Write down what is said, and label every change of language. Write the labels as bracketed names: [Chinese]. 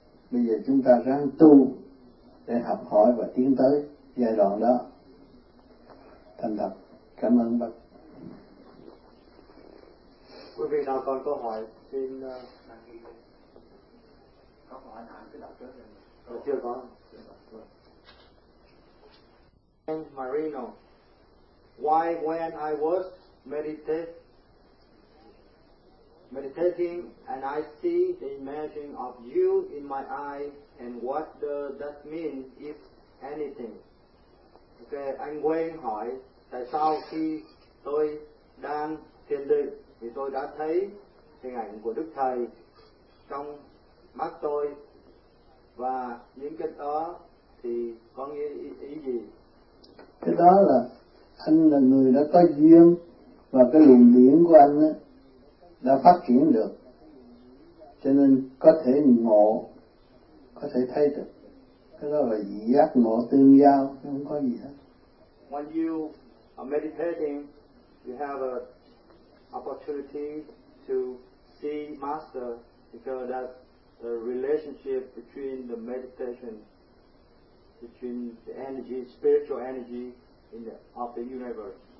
[Vietnamese] Bây giờ chúng ta ráng tu để học hỏi và tiến tới giai đoạn đó. Thành thật cảm ơn bác. Quý vị nào còn câu hỏi xin đăng ký. Có hỏi nào cứ đặt trước rồi. Chưa có. [English] Anh Marino, why when I was meditating and I see the image of you in my eye, and what does that mean, if anything? [Vietnamese] Okay, anh Quyên hỏi tại sao khi tôi đang thiền định thì tôi đã thấy hình ảnh của Đức Thầy trong mắt tôi, và những cái đó thì có nghĩa ý gì? Cái đó là anh là người đã có duyên và cái luồng điển của anh đã phát triển được, cho nên có thể ngộ, có thể thấy được. Cái đó là giác ngộ tương giao, không có gì hết. [English] When you are meditating, you have an opportunity to see Master, because that's the relationship between the meditation, between the energy, spiritual energy in the, of the universe.